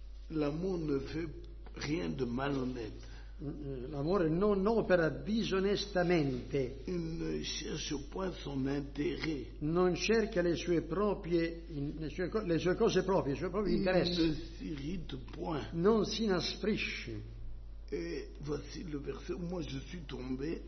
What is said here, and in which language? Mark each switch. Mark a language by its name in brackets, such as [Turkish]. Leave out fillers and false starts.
[French] L'amour ne fait rien de malhonnête. [Italian] L'amore non opera disonestamente. [French] Il ne cherche point son intérêt. [Italian] Non cerca le sue cose proprie, i suoi propri interessi. [French] Il ne s'irrite point. [Italian] Non si inasprisce. [French] E voici le verset où moi je suis tombé.